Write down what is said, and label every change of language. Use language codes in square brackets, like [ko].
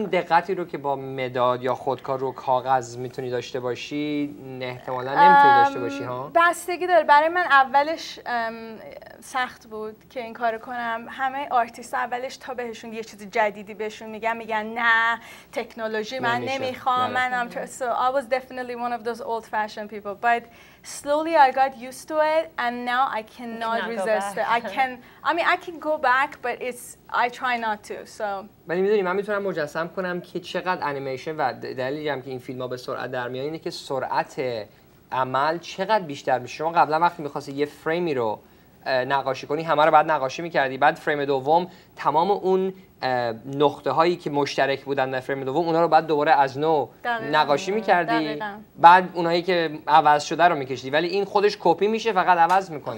[fa] اون دقتی رو که با مداد یا خودکار رو کاغذ میتونی داشته باشی احتمالا نمیتونی داشته باشی ها؟ بستگی داره. برای من اولش سخت بود که این کار کنم. همه آرتیست اولش تا بهشون یه چیز جدیدی بهشون میگن میگن نه تکنولوژی من نمیخوام. [en] So I was definitely one of those old fashioned people. But slowly I got used to it and now I cannot resist it. I can go back but it's I try not to. So [fa] ولی میدونی من میتونم مجسم کنم که چقدر انیمیشن و دلیلی هم که این فیلم ها به سرعت در میان اینه که سرعت عمل چقدر بیشتر میشه. شما قبلا وقتی میخواستی یه فریمی رو نقاشی کنی همه رو بعد نقاشی میکردی، بعد فریم دوم تمام اون نقطه هایی که مشترک بودن در فریم دوم اونا رو بعد دوباره از نو نقاشی میکردی، بعد اونایی که عوض شده رو میکشیدی، ولی این خودش کپی میشه فقط عوض میکنی.